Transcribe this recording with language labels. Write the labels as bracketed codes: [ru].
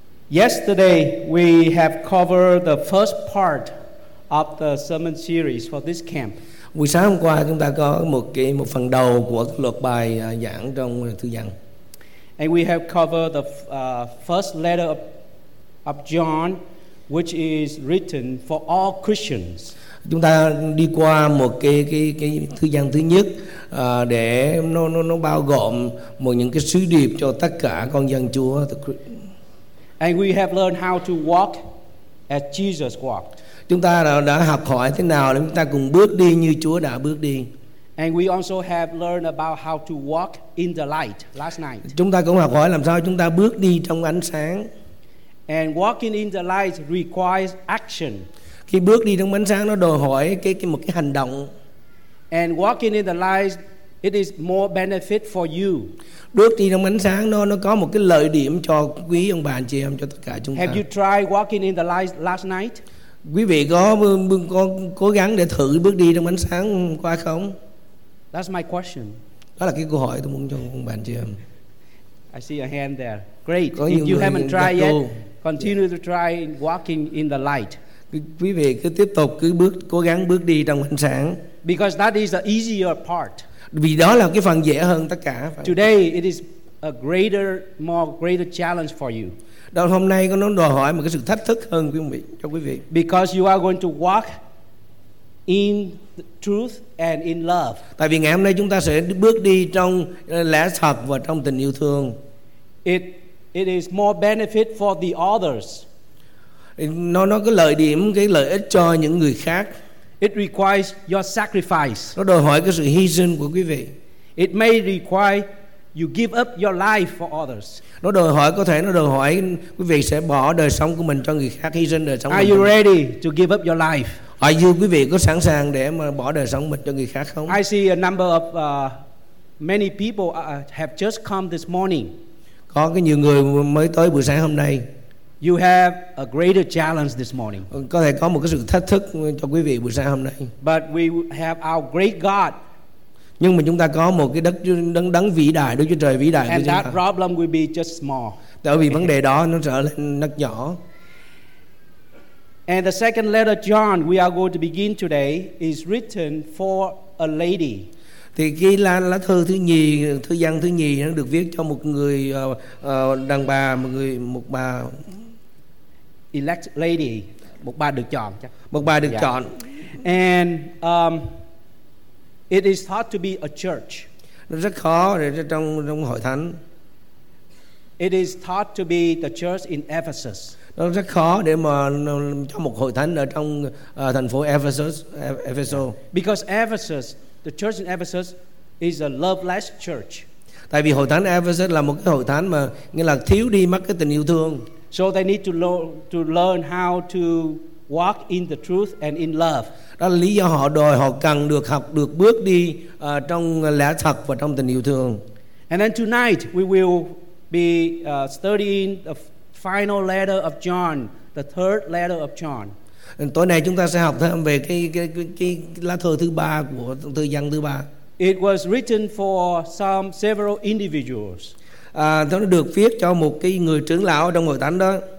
[en] Yesterday we have covered the first part of the sermon series for this camp. [vi] Buổi sáng hôm qua chúng ta có một phần đầu của loạt bài giảng trong thư giảng. [en] And we have covered the first letter of John, which is written for all Christians. [vi] Chúng ta đi qua một cái thư gian thứ nhất để nó bao gồm một những cái sứ điệp cho tất cả con dân Chúa. [en] And we have learned how to walk as Jesus walked. [vi] Chúng ta đã học hỏi thế nào để chúng ta cùng bước đi như Chúa đã bước đi. [en] And we also have learned about how to walk in the light last night. [vi] Chúng ta cũng học hỏi làm sao chúng ta bước đi trong ánh sáng. [en] And walking in the light requires action. [vi] Khi bước đi trong ánh sáng nó đòi hỏi một cái hành động. [en] And walking in the light, it is more benefit for you. [vi] Bước đi trong ánh sáng nó có một cái lợi điểm cho quý ông bà anh chị em, cho tất cả chúng ta. [en] Have you tried walking in the light last night? [vi] Quý vị có cố gắng để thử bước đi trong ánh sáng hôm qua không? [en] That's my question. [vi] Đó là cái câu hỏi tôi muốn cho ông bạn chị em. [en] I see a hand there. Great. If you haven't tried yet, continue to try walking in the light. [vi] Quý vị cứ tiếp tục cố gắng bước đi trong ánh sáng. [en] Because that is the easier part. [vi] Vì đó là cái phần dễ hơn tất cả. [en] Today it is a greater challenge for you. [vi] Đó hôm nay nó đòi hỏi một cái sự thách thức hơn cho quý vị. [en] Because you are going to walk in truth and in love. [vi] Tại vì ngày hôm nay chúng ta sẽ bước đi trong lẽ thật và trong tình yêu thương. [en] It is more benefit for the others. [vi] Nó có lợi điểm, cái lợi ích cho những người khác. [en] It requires your sacrifice. [vi] Nó đòi hỏi cái sự hy sinh của quý vị. [en] It may require you give up your life for others. [vi] Nó đòi hỏi, có thể nó đòi hỏi quý vị sẽ bỏ đời sống của mình cho người khác, hy sinh đời sống của mình. [en] Are you ready to give up your life? Are you, [vi] quý vị có sẵn sàng để mà bỏ đời sống mình cho người khác không? [en] I see a number of many people have just come this morning. [vi] Có cái nhiều người mới tới buổi sáng hôm nay. [en] You have a greater challenge this morning. [vi] Có thể có một cái sự thách thức cho quý vị buổi sáng hôm nay. [en] But we have our great God. [vi] Nhưng mà chúng ta có một cái đấng vĩ đại, Đức Chúa Trời vĩ đại. [en] And that problem will be just small. [vi] Tại vì vấn đề đó nó trở lên rất nhỏ. [en] And the second letter John we are going to begin today is written for a lady. [vi] Thì cái lá thư thư văn thứ nhì nó được viết cho một người đàn bà, một bà [en] elect lady, [vi] một bà được chọn chắc. Một bà được chọn. [en] And it is thought to be a church. [vi] Nó rất khó để trong hội thánh. [en] It is thought to be the church in Ephesus. [vi] Nó rất khó để mà cho một hội thánh ở trong thành phố Ephesus, Ephesus. [en] Because Ephesus, the church in Ephesus is a loveless church. [vi] Tại vì hội thánh Ephesus là một cái hội thánh mà nghĩa là thiếu đi mất cái tình yêu thương. [en] So they need to learn how to walk in the truth and in love. [vi] Đó là lý do họ đòi, họ cần được học được bước đi trong lẽ thật và trong tình yêu thương. [en] And then tonight we will be studying the final letter of John, the third letter of John. [vi] Tối nay chúng ta sẽ học thêm về cái lá thư thứ ba của thư văn thứ ba. [en] It was written for several individuals. [vi] Nó được viết cho một cái người trưởng lão trong hội thánh đó.